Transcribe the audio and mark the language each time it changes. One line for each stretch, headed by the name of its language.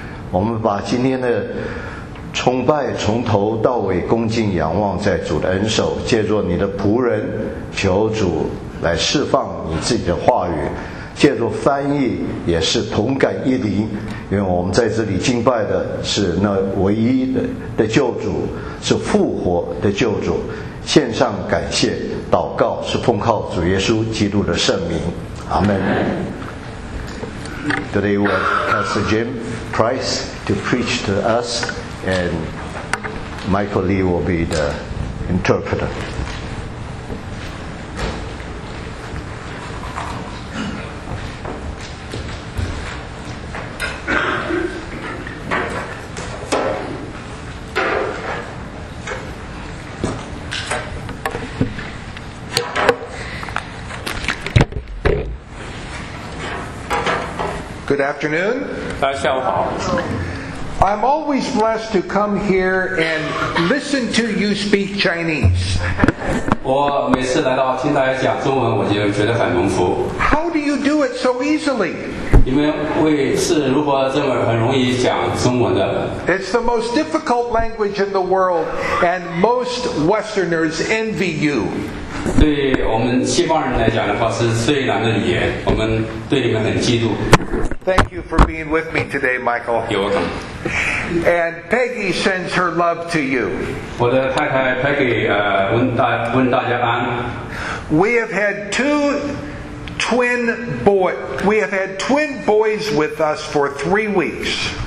Chinese: 我们把今天的崇拜从头到尾恭敬仰望在主的恩手，借助你的仆人，求主来释放你自己的话语，借助翻译也是同感一灵，因为我们在这里敬拜的是那唯一的救主，是复活的救主。献上感谢祷告是奉靠主耶稣基督的圣名，阿们。
English: Today we have Pastor Jim Price to preach to us, and Michael Lee will be the interpreter. Good afternoon.
Chinese: 大家下午好。
English: I'm always blessed to come here and listen to you speak Chinese.
Chinese: 我每次来到听大家讲中文，我就觉得很荣幸。
English: How do you do it so easily?
Chinese: 你们为是如何这么很容易讲中文的？
English: It's the most difficult language in the world, and most Westerners envy you.
Chinese: 对我们西方人来讲的话是最难的语言，我们对你们很嫉妒。
English: Thank you for being with me today, Michael. You're welcome. And Peggy sends her love to you.
Chinese: 我的太太 Peggy 问大家安。
English: We have had twin boys with us for 3 weeks.